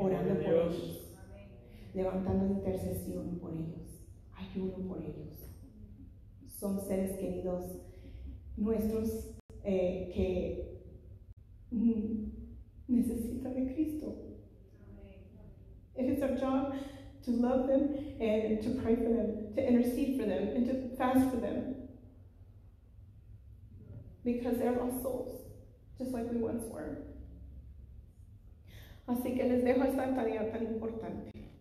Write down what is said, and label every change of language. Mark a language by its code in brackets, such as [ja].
[es] Orando Amén. Por ellos. Levantando intercesión por ellos. Ayuno por ellos. Son seres queridos nuestros que necesitan de Cristo. [en] It is our job to love them and to pray for them, to intercede for them, and to fast for them. Because they are lost souls, just like we once were. [es] Así que les dejo esta tarea tan importante.